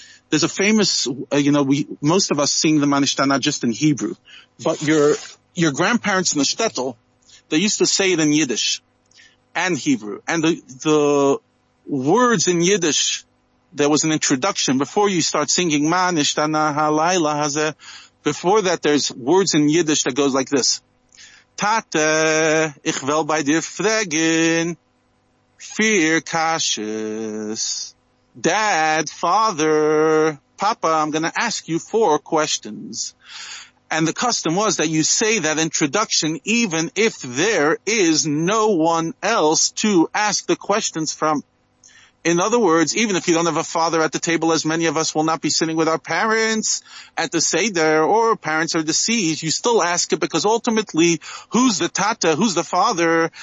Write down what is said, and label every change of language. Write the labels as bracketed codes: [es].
[en] There's a famous, most of us sing the Manishtana just in Hebrew, but your grandparents in the shtetl, they used to say it in Yiddish and Hebrew. And the words in Yiddish there was an introduction. Before you start singing, Ma Nishtana HaLaila Hazeh, before that there's words in Yiddish that goes like this. [yi] Tate, ich will bei dir fragen, vier kashes. [en] Dad, father, papa, I'm going to ask you four questions. And the custom was that you say that introduction even if there is no one else to ask the questions from. In other words, even if you don't have a father at the table, as many of us will not be sitting with our parents at the Seder or parents are deceased, you still ask it because ultimately, who's the Tata? Who's the father?